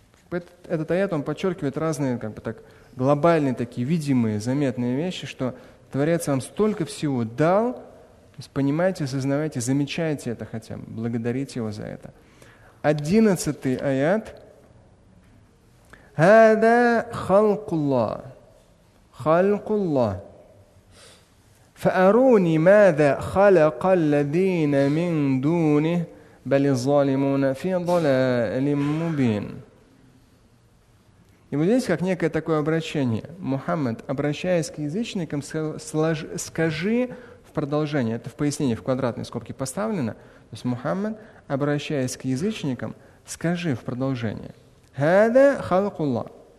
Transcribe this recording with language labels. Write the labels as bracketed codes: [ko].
[ru] Этот аят он подчеркивает разные как бы так, глобальные, такие видимые, заметные вещи, что Творец вам столько всего дал, то есть понимаете, осознавайте, замечайте это хотя бы, благодарите его за это. 11 аят. [ar] «Хада халкулла, халкулла». فأروني ماذا خلق الذين من دونه بل الظالمون في ضلال مبين. [ru] И вот здесь как некое такое обращение. Мухаммад, обращаясь к язычникам, скажи в продолжение, это в пояснении в квадратной скобке поставлено, то есть Мухаммад, обращаясь к язычникам, Скажи в продолжение. [ar] Хада халкулла.